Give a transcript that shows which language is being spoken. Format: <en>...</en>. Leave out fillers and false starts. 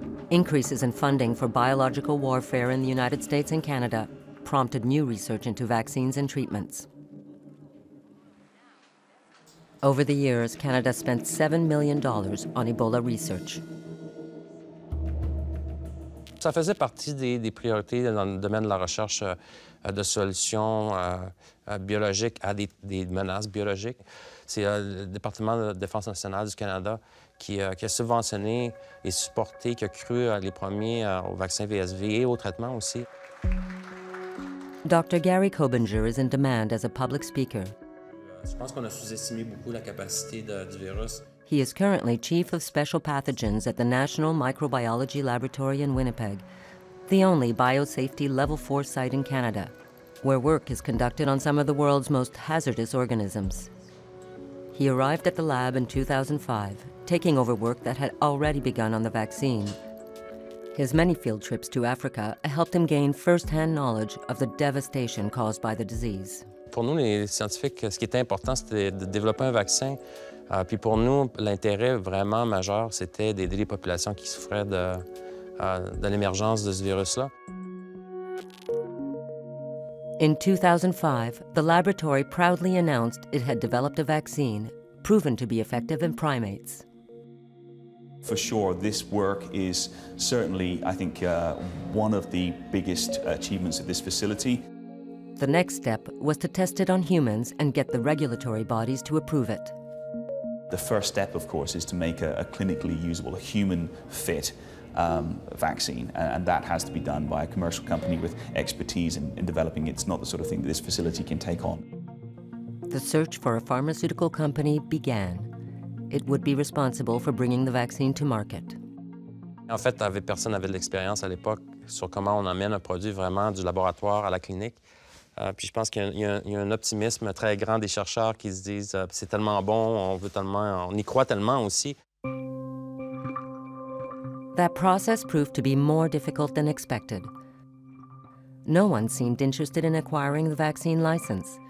<en>Increases in funding for biological warfare in the United States and Canada prompted new research into vaccines and treatments. Over the years, Canada spent $7 million on Ebola research.</en> <fr>Ça faisait partie des priorités dans le domaine de la recherche de solutions biologiques à des menaces biologiques. C'est le département de défense nationale du Canada qui a subventionné et supporté, qui a cru les premiers au vaccin VSV et au traitement aussi.</fr> <en>Dr. Gary Kobinger is in demand as a public speaker.</en> <fr>Je pense qu'on a sous-estimé beaucoup la capacité du virus.</fr> <en>He is currently chief of special pathogens at the National Microbiology Laboratory in Winnipeg, the only biosafety level 4 site in Canada, where work is conducted on some of the world's most hazardous organisms. He arrived at the lab in 2005, taking over work that had already begun on the vaccine. His many field trips to Africa helped him gain first-hand knowledge of the devastation caused by the disease.</en> <fr>Pour nous, les scientifiques, ce qui était important, c'était de développer un vaccin. Puis pour nous, l'intérêt vraiment majeur, c'était d'aider les populations qui souffraient de l'émergence de ce virus-là.</fr> <en>In 2005, the laboratory proudly announced it had developed a vaccine proven to be effective in primates. For sure, this work is certainly, I think, one of the biggest achievements of this facility. The next step was to test it on humans and get the regulatory bodies to approve it. The first step, of course, is to make a clinically usable, a human fit vaccine, and that has to be done by a commercial company with expertise in developing it. It's not the sort of thing that this facility can take on. The search for a pharmaceutical company began. It would be responsible for bringing the vaccine to market.</en> <fr>En fait, personne n'avait de l'expérience à l'époque sur comment on amène un produit vraiment du laboratoire à la clinique. Puis je pense qu'il y a un optimisme très grand des chercheurs qui se disent c'est tellement bon, on veut tellement, on y croit tellement aussi.</fr> <en>That process proved to be more difficult than expected. No one seemed interested in acquiring the vaccine license.</en>